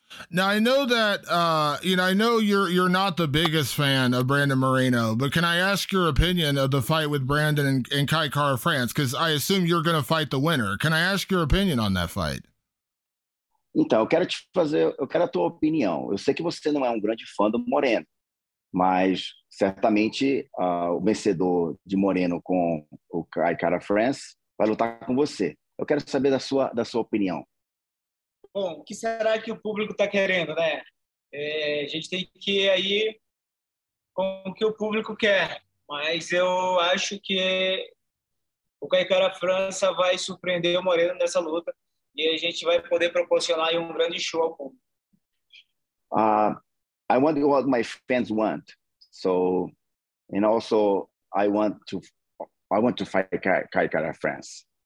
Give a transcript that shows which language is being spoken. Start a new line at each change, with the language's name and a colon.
English: Now, I know that, you know, I know you're not the biggest fan of Brandon Moreno, but can I ask your opinion of the fight with Brandon and Kai Car of France? Because I assume you're going to fight the winner. Can I ask your opinion on that fight?
Portuguese: Então, eu quero a tua opinião. Eu sei que você não é um grande fã do Moreno, mas certamente o vencedor de Moreno com o Kai Car of France vai lutar com você. Eu quero saber da sua opinião. Bom, o que será que o público está querendo, né? A gente tem que ir aí com o que o público quer. Mas eu acho que o Caicara França vai surpreender o Moreno nessa luta e a gente vai poder proporcionar aí um grande show ao público.
English: I want what my fans want. So, and also I want to fight Caicara França.